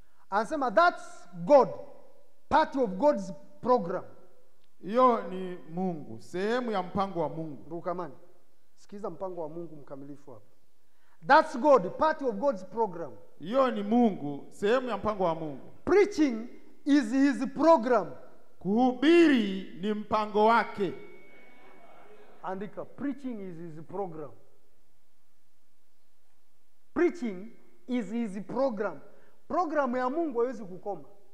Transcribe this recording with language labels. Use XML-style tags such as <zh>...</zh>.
<sw>Anasema</sw> <en>that's God, part of God's program.</en> <sw>Hiyo ni Mungu, sehemu ya mpango wa Mungu. Rukamani, sikiza mpango wa Mungu mkamilifu hapa.</sw> <en>That's God, part of God's program.</en> <sw>Hiyo ni Mungu, sehemu ya mpango wa Mungu.</sw> <en>Preaching is his program.</en> <sw>Kuhubiri ni mpango wake. Andika,</sw> <en>preaching is his program. Preaching is his program.</en> <sw>Program ya Mungu haiwezi kukoma.</sw>